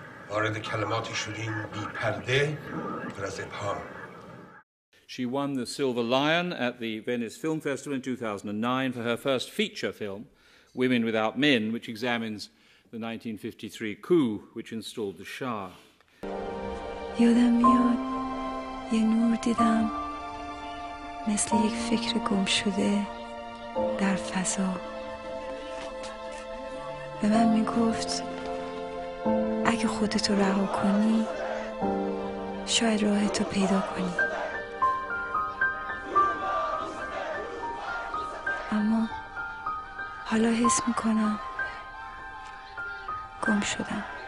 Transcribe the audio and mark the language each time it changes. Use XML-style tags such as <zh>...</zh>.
<fa>وارد کلماتی شدین بی پرده پر از ابهام.</fa> <en>She won the Silver Lion at the Venice Film Festival in 2009 for her first feature film, Women Without Men, which examines the 1953 coup which installed the Shah.</en> <fa>یادم میاد یه نور دیدم مثل یک فکر گم شده در فضا به من میگفت اگه خودتو رها کنی شاید راهتو پیدا کنی اما حالا حس میکنم گم شدم</fa>